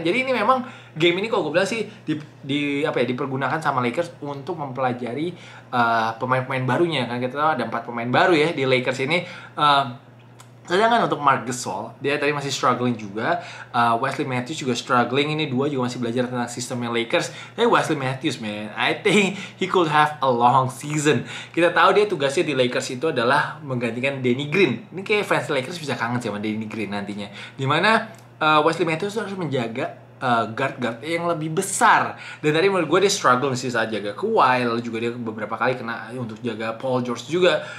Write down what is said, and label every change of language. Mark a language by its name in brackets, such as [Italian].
[Indonesian] Jadi ini memang game ini kalau gue bilang sih dipergunakan sama Lakers untuk mempelajari pemain-pemain barunya. Kan kita tahu ada 4 pemain baru ya di Lakers ini. Sedangkan untuk Marc Gasol, dia tadi masih struggling juga. Wesley Matthews juga struggling. Ini dua juga masih belajar tentang sistemnya Lakers. [English] Hey Wesley Matthews, man, I think he could have a long season. [Indonesian] Kita tahu dia tugasnya di Lakers itu adalah menggantikan Danny Green. Ini kayak fans Lakers bisa kangen sama Danny Green nantinya. Dimana Wesley Matthews harus menjaga guard-guard yang lebih besar. Dan tadi menurut gue dia struggle sih saat jaga Kawhi, lalu juga dia beberapa kali kena untuk jaga Paul George juga.